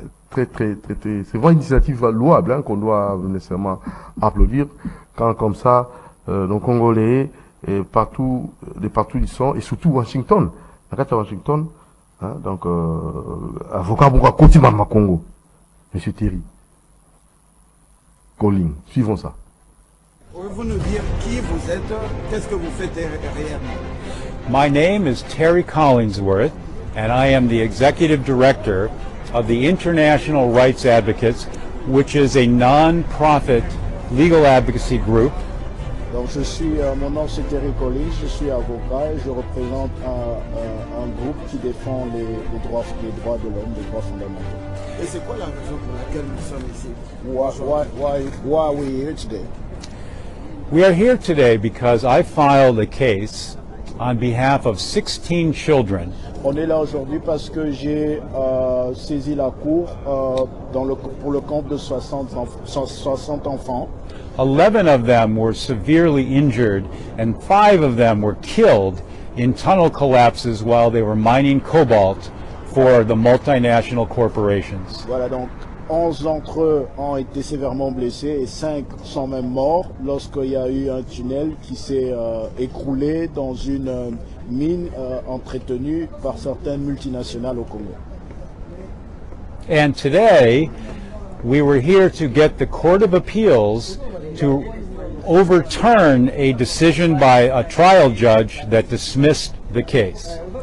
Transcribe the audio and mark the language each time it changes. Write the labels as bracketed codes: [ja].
[fr] Très. C'est vraiment une initiative louable hein, qu'on doit nécessairement applaudir quand comme ça nos Congolais et partout de partout ils sont et surtout Washington la carte à Washington hein, donc avocat pour côté Mama Congo Monsieur Thierry Colling suivons ça. Pouvez-vous nous dire qui vous êtes, qu'est-ce que vous faites réellement? [en] My name is Terry Collingsworth. And I am the executive director of the International Rights Advocates, which is a non-profit legal advocacy group. [fr] Donc je suis, mon nom c'est Terry Collins, je suis avocat et je représente un groupe qui défend les droits de l'homme, les droits fondamentaux. Et c'est quoi la raison pour laquelle nous sommes ici? [en] Why are we here today? We are here today because I filed a case on behalf of 16 children. [fr] On est là aujourd'hui parce que j'ai saisi la cour pour le compte de 60 enfants. [en] 11 of them were severely injured and 5 of them were killed in tunnel collapses while they were mining cobalt for the multinational corporations. [fr] Voilà donc 11 d'entre eux ont été sévèrement blessés et 5 sont même morts lorsqu'il y a eu un tunnel qui s'est écroulé dans une mine entretenue par certaines multinationales au Congo. [en] And today, we were here to get the Court of Appeals to overturn a decision by a trial judge that dismissed the case.